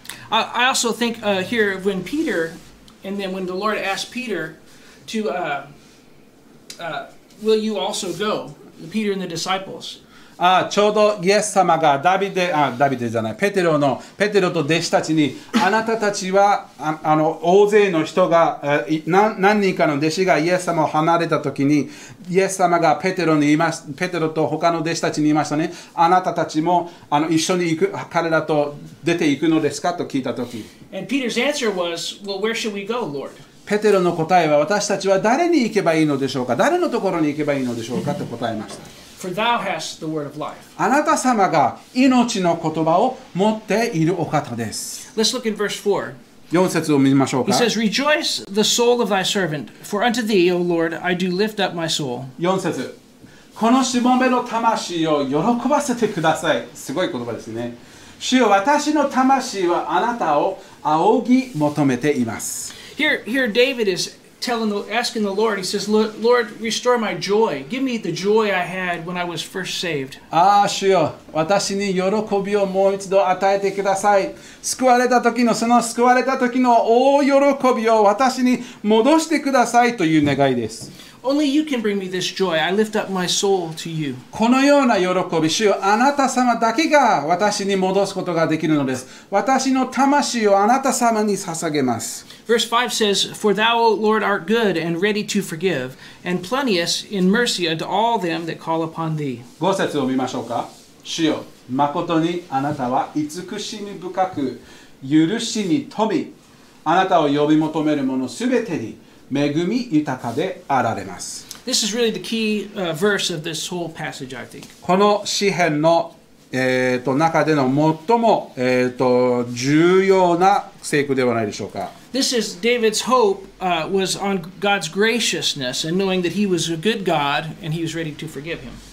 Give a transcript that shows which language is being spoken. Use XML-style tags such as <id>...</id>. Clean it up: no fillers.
<en>I also think here of when Peter, and then when the Lord asked Peter to, will you also go? Peter and the disciples.</en> <ja>ちょうどイエス様がペテロのペテロと弟子たちにあなたたちは大勢の人が何人かの弟子がイエス様を離れた時にイエス様がペテロと他の弟子たちに言いましたね。あなたたちも一緒に行く彼らと出て行くのですかと聞いた時。</ja> <en>And Peter's answer was, well, where should we go, Lord?</en> <ja>ペテロの答えは私たちは誰に行けばいいのでしょうか、誰のところに行けばいいのでしょうかと答えました。</ja> <en>For thou hast the word of life.</en> <ja>あなた様が命の言葉を持っているお方です。</ja> <en>Let's look in verse 4.</en> <ja>4節を見ましょうか。</ja> <en>He says, Rejoice the soul of thy servant, for unto thee, O Lord, I do lift up my soul.</en> <ja>4節。このしもべの魂を喜ばせてください。すごい言葉ですね。主よ、私の魂はあなたを仰ぎ求めています。</ja> <en>Here David is asking the Lord, he says, Lord, restore my joy. Give me the joy I had when I was first saved.</en> <ja>ああ、主よ、私に喜びをもう一度与えてください。救われた時の、その救われた時の大喜びを私に戻してくださいという願いです。</ja> <en>Only you can bring me this joy. I lift up my soul to you.</en> <ja>このような喜び、主よ、あなた様だけが私に戻すことができるのです。私の魂をあなた様に捧げます。</ja> <en>Verse 5 says, For thou, O Lord, art good and ready to forgive, and plenteous in mercy unto all them that call upon thee.</en> <ja>5節を見ましょうか。主よ、まことにあなたは慈しみ深く、許しに富み、あなたを呼び求める者すべてに、恵み豊かであられます。</ja> <en>This is really the key verse of this whole passage, I think.</en> <ja>この詩編の、中での最も、重要な聖句ではないでしょうか。</ja> <en>This is David's hope was on God's graciousness and knowing that he was a good God and he was ready to forgive him.</en>